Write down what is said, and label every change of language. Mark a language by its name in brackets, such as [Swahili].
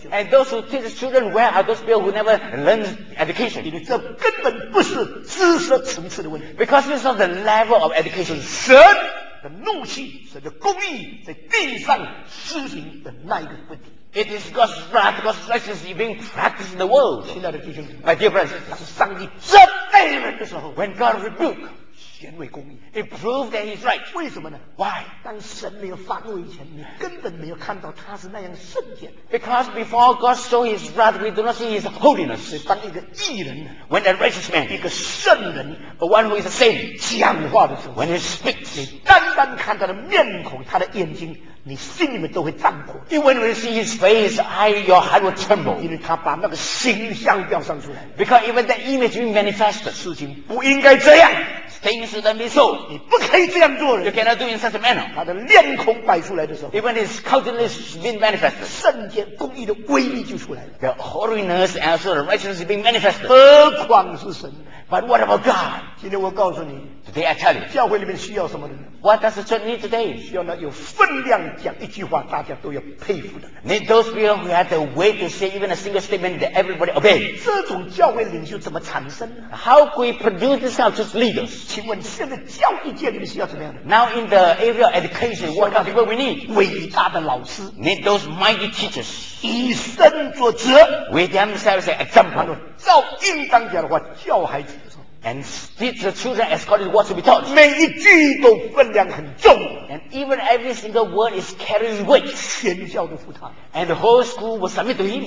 [English] And those who teach children well are those people who never learned education. [Chinese] 因为这根本不是知识层次的问题。 [English] Because this is not the level of education. [Chinese] 神的怒气，神的公义在地上施行的那一个问题。 [English] It is God's wrath, God's righteousness is being practiced in the world. [Chinese] 亲爱的弟兄， [English] My dear friends, [Chinese] 他是上帝责备人的时候 [English] ，When God rebukes. [Chinese] 显为公义 [English] It proved that he's right. [Chinese] 为什么呢 [English] Why? [Chinese] 当神没有发怒以前你根本没有看到他是那样圣洁 [English] Because before God showed his wrath we do not see his holiness. [Chinese] 所以当一个义人 [English] When a righteous man [Chinese] 一个圣人 [English] A one who is a saint [Chinese] 讲话的时候 [English] When he speaks [Chinese] 你单单看他的面孔他的眼睛你心里面都会颤抖 [English] Even when you see his face your heart will tremble. [Chinese] 因为他把那个形象表上出来 [English] Because even that image being manifested [Chinese] 事情不应该这样 [English] Things that be so. [Chinese] 你不可以这样做人。 [English] You cannot do in such a manner. [Chinese] 他的脸孔摆出来的时候 [English] ，Even his countenance being manifested. [Chinese] 圣洁公义的威力就出来了。 [English] The holiness and also the righteousness being manifested. [Chinese] 何况是神 [English] ？But what about God? [Chinese] 今天我告诉你 [English] ，Today I tell you. [Chinese] 教会里面需要什么人 [English] ？What does the church need today? [Chinese] 需要那有分量讲一句话，大家都要佩服的。 [English] Need those people who have the way to say even a single statement that everybody obey. [Chinese] 这种教会领袖怎么产生呢 [English] ？How could we produce this kind of leaders? [Chinese] 请问现在教育界里面需要怎么样的 [English] ？Now in the area of education, what kind of people we need? [Chinese] 伟大的老师 [English] ，need those mighty teachers. [Chinese] 以身作则 [English] ，with themselves as example. [Chinese] 照应当讲的话教孩子的时候 [English] ，and teach the children as God is what to be taught. [Chinese] 每一句都分量很重 [English] ，and even every single word is carries weight. [Chinese] 全校都服他 [English] ，and the whole school will submit to him.